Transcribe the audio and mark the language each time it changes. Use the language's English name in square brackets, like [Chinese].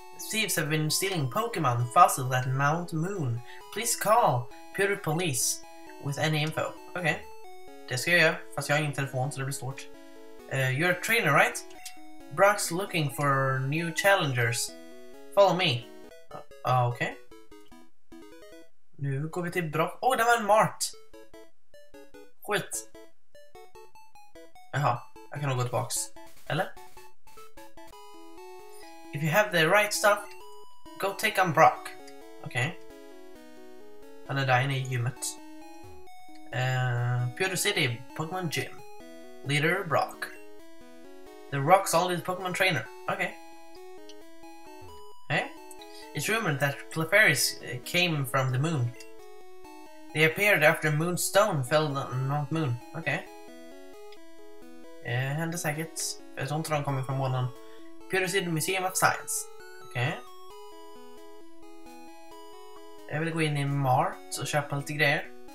[English] Thieves have been stealing Pokemon fossils at Mount Moon. Please call Pewter Police with any info. Okay. [Swedish] Det ska jag göra, fast jag har ingen telefon så det blir svårt. [English] You're a trainer, right? Brock's looking for new challengers. Follow me. Okay. [Swedish] Nu går vi till Brock. Åh, det var en Mart! Skit. Jaha, jag kan nog gå tillbaks. Eller? [English] If you have the right stuff, go take on Brock. [Swedish] Okay. Han är där inne i gymmet. Pewter City, Pokémon Gym. Leader Brock. [English] The Rock's oldest Pokémon trainer. Okay. Hey. It's rumored that Clefairies came from the moon. They appeared after Moonstone fell on Mount Moon. [Swedish] Okay. Händer säkert. Jag tror inte de kommer från månen. Pewter City Museum of Science. Okej. Okay. Jag vill gå in i Mart och köpa lite grejer.